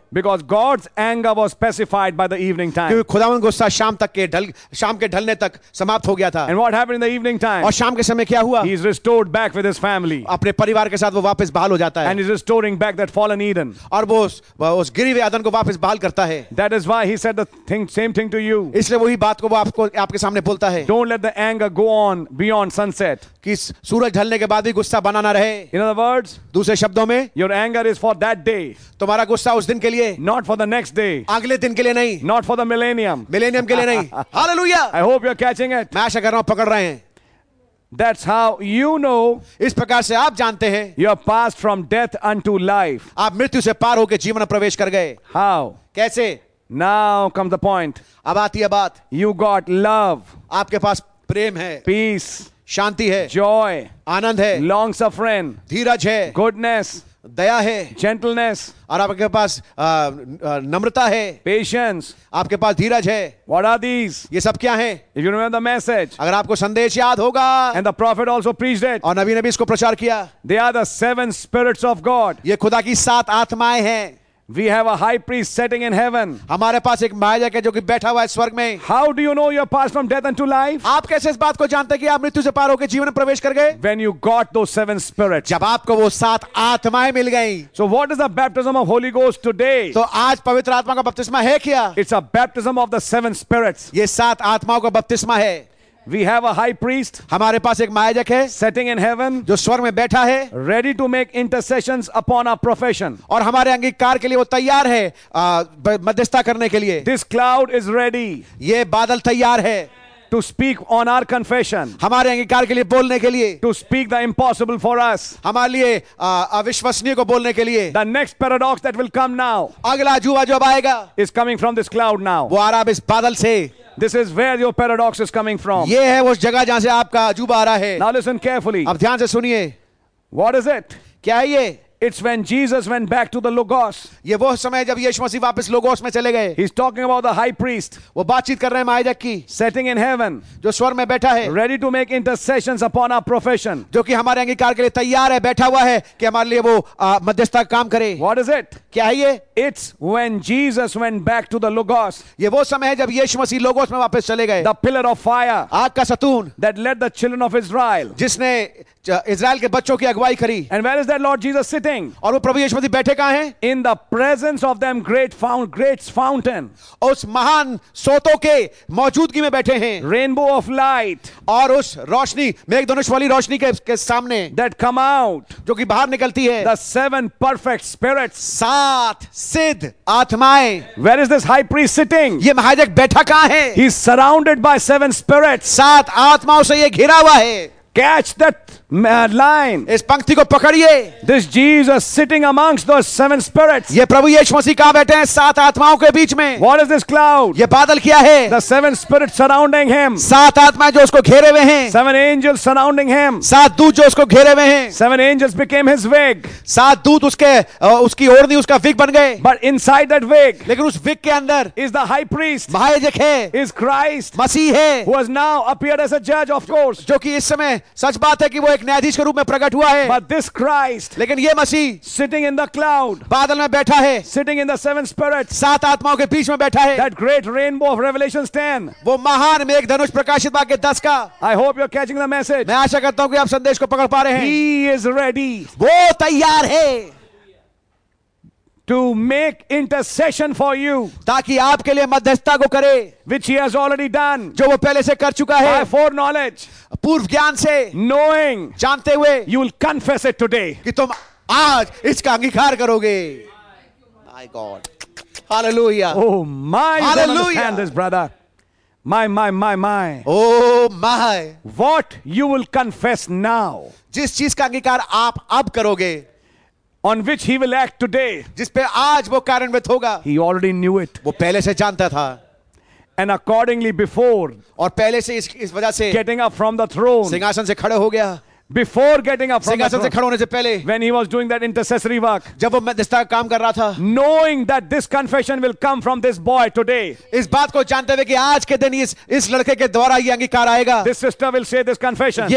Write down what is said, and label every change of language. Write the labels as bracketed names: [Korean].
[English] Because God's anger was specified by the evening time, [Hindi] क्योंकि खुदावन गुस्सा शाम के ढलने तक समाप्त हो गया था। [English] And what happened in the evening time? [Hindi] और शाम के समय क्या हुआ? [English] He's restored back with his family, [Hindi] अपने परिवार के साथ वो वापस बहाल हो जाता है। [English] And he's restoring back that fallen Eden, [Hindi] और वो उस गिरी हुए आदन को वापस बहाल करता है। [English] That is why he said the thing, same thing to you, [Hindi] इसलिए वही बात को वो आपको आपके सामने बोलता है। [English] Don't let the anger go on beyond sunset. [Hindi] किस सूरज ढलने के बाद भी गुस्सा बना ना रहे। [English] In other words, [Hindi] दूसरे शब्दों में, [English] your anger is for that day. [Hindi] तुम्हारा गुस्सा उस दिन के लिए। [English] Not for the next day. [Hindi] अगले दिन के लिए नहीं। [English] Not for the millennium. [Hindi] Millennium के लिए नहीं। [English] Hallelujah. I hope you're catching it. [Hindi] मैं आशा कर रहा हूँ पकड़ रहे हैं। [English] That's how you know. [Hindi] इस प्रकार से आप जानते हैं। [English] You are passed from death unto life. [Hindi] आप मृत्यु से पार होकर जीवन प्रवेश कर गए। [English] How? [Hindi] कैसे? [English] Now comes the point. [Hindi] अब आती है बात। [English] You got love. [Hindi] आपके पास प्रेम है। [English] Peace. [Hindi] शांति है। [English] Joy. [Hindi] आनंद है। [English] Long suffering. [Hindi] धीरज है। [English] Goodness. [Hindi] दया है। [English] Gentleness. [Hindi] और आपके पास नम्रता है। [English] Patience. [Hindi] आपके पास धीरज है। [English] What are these? [Hindi] ये सब क्या है? [English] If you remember the message, [Hindi] अगर आपको संदेश याद होगा, [English] and the prophet also preached it, [Hindi] और नबी ने भी इसको प्रचार किया। [English] They are the seven spirits of God. [Hindi] ये खुदा की सात आत्माएं हैं। [English] We have a high priest sitting in heaven. [Hindi] हमारे पास एक महायाजक है जो कि बैठा हुआ है स्वर्ग में। [English] How do you know you're passed from death unto life? [Hindi] आप कैसे इस बात को जानते कि आप मृत्यु से पार होकर जीवन में प्रवेश कर गए? [English] When you got those seven spirits. [Hindi] जब आपको वो सात आत्माएं मिल गईं। [English] So what is the baptism of Holy Ghost today? [Hindi] तो आज पवित्र आत्मा का बपतिस्मा है क्या? [English] It's a baptism of the seven spirits. [Hindi] ये सात आत्माओं का बपतिस्मा है। [English] We have a high priest, [Hindi] हमारे पास एक महायाजक है, [English] sitting in heaven, [Hindi] जो स्वर्ग में बैठा है, [English] ready to make intercessions upon our profession, [Hindi] और हमारे अंगीकार के लिए वो तैयार है, मध्यस्थता करने के लिए। [English] This cloud is ready, [Hindi] ये बादल तैयार है, [English] to speak on our confession, [Hindi] हमारे अंगीकार के लिए बोलने के लिए, [English] to speak the impossible for us, [Hindi] हमारे लिए अविश्वसनीय को बोलने के लिए। [English] The next paradox that will come now, [Hindi] अगला जुआ जो आएगा, [English] is coming from this cloud now, [Hindi] वो आ रहा इस बादल से। [English] This is where your paradox is coming from. [Hindi] ये है वो जगह जहाँ से आपका अजूबा आ रहा है। [English] Now listen carefully. [Hindi] अब ध्यान से सुनिए। [English] What is it? [Hindi] क्या है ये? [English] It's when Jesus went back to the Logos. [Hindi] ये वो समय जब यीशु मसीह वापस लोगोस में चले गए। [English] He's talking about the high priest. [Hindi] वो बातचीत कर रहे हैं महायाजक की। [English] Sitting in heaven. [Hindi] जो स्वर्ग में बैठा है। [English] Ready to make intercessions upon our profession. [Hindi] जो कि हमारे अंगीकार के लिए तैयार है, बैठा हुआ है कि हमारे लिए वो मध्यस्थता काम करे। [English] What is it? [Hindi] क्या है ये? [English] It's when Jesus went back to the Logos. [Hindi] ये वो समय है जब यीशु मसीह लोगोस में वापस चले गए। [English] The pillar of fire. [Hindi] आग का सतून। [English] That led the children of Israel. [Hindi] जिसने इज़राइल के बच्चों की अगुवाई करी। [English] And where is that Lord Jesus sitting? [Hindi] और वो प्रभु यीशु मसीह बैठे कहाँ हैं? [English] In the presence of them great fountain. [Hindi] उस महान सोतों के मौजूदगी में बैठे हैं। [English] Rainbow of light. [Hindi] और उस रोशनी मेघधनुष वाली रोशनी के सामने। [English] That come out. [Hindi] जो कि बाहर निकलती है। [English] The seven perfect spirits. [Hindi] सात सिद्ध आत्माएं। [English] Where is this high priest sitting? [Hindi] ये महायाजक बैठा कहाँ है? [English] He is surrounded by seven spirits. [Hindi] सात आत्माओं से ये घिरा हुआ है। [English] Catch that line. [Hindi] इस पंक्ति को पकड़िए। [English] This Jesus sitting amongst those seven spirits. [Hindi] ये प्रभु यीशु मसीह कहाँ बैठे हैं? सात आत्माओं के बीच में। [English] What is this cloud? [Hindi] ये बादल क्या है? [English] The seven spirits surrounding him. [Hindi] सात आत्माएं जो उसको घेरे हुए हैं। [English] Seven angels surrounding him. [Hindi] सात दूत जो उसको घेरे हुए हैं। [English] Seven angels became his wig. [Hindi] सात दूत उसके उसकी ओढ़नी उसका विग बन गए। [English] But inside that wig. [Hindi] लेकिन उस विग के अंदर [English] is the high priest. [Hindi] महायाजक है। [English] Is Christ. [Hindi] मसीह है। [English] Who has now appeared as a judge, of course. [Hindi] जो कि इस समय सच बात है कि वो एक न्यायाधीश के रूप में प्रकट हुआ है। [English] But this Christ, [Hindi] लेकिन ये मसीह, [English] sitting in the cloud, [Hindi] बादल में बैठा है, [English] sitting in the seven spirits, [Hindi] सात आत्माओं के बीच में बैठा है, [English] that great rainbow of Revelation 10, [Hindi] वो महान मेघधनुष प्रकाशित वाक्य 10 का। [English] I hope you're catching the message. [Hindi] मैं आशा करता हूँ कि आप संदेश को पकड़ पा रहे हैं। [English] He is ready. [Hindi] वो तैयार है। [English] To make intercession for you, [Hindi] ताकि आपके लिए मध्यस्थता को करे, [English] which he has already done, [Hindi] जो वो पहले से कर चुका है, [English] by foreknowledge, [Hindi] पूर्व ज्ञान से, [English] knowing, [Hindi] जानते हुए, [English] you will confess it today, [Hindi] कि तुम आज इसका अंगीकार करोगे। [English] My God, Hallelujah. Oh my, hallelujah. Don't understand this, brother. My. Oh my. What you will confess now. [Hindi] जिस चीज का अंगीकार आप अब करोगे. [English] On which he will act today. [Hindi] जिस पे आज वो कार्यान्वित होगा. [English] He already knew it. [Hindi] वो पहले से जानता था. [English] And accordingly before. [Hindi] और पहले से इस वजह से. [English] Getting up from the throne. [Hindi] सिंहासन से खड़े हो गया. [English] Before getting up from the throne, when he was doing that intercessory work, knowing that this confession will come from this boy today, this sister will say this confession.